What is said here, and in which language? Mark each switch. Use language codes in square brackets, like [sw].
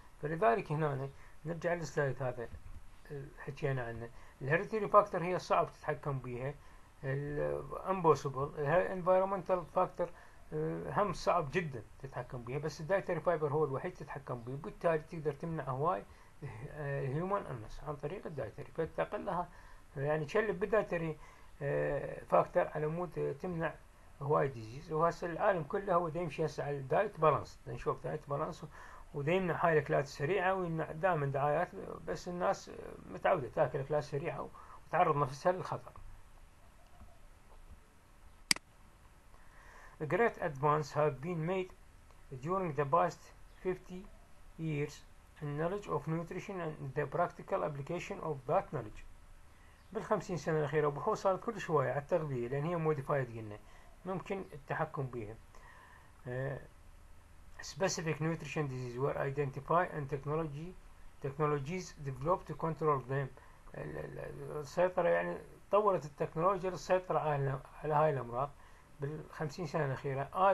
[ar] فلذلك هنا نرجع للسلايد هذا حكينا عنه، الهيريتيري فاكتور هي صعب تتحكم بيها، الامبوسيبل الانفايرمنتال فاكتور هم صعب جدا تتحكم بيها، بس الدايتري فايبر هو الوحيد تتحكم بيه، وبالتالي تقدر تمنع هواي الهيومن النس عن طريق الدايتري، فتقلها يعني تشلب بالدايتري فاكتور على مود تمنع هواي ديزيز. وهسه العالم كله هو دايم يمشي هسه على الدايت بالانس، نشوف دايت بالانس ودايم يمنع هاي الاكلات السريعه ويمنع دائما دعايات، بس الناس متعوده تاكل اكلات سريعه وتعرض نفسها للخطر. [en] Great advances have been made during the past 50 years in knowledge of nutrition and the practical application of that knowledge. [ar] بالخمسين سنة الأخيرة بحوث صارت كل شوية على التغذية، لأن هي modified قلنا ممكن التحكم بها. [en] Specific nutrition diseases were identified and technologies developed to control them. [ar] السيطرة يعني طورت التكنولوجيا للسيطرة على هاي الأمراض بالخمسين سنة الأخيرة.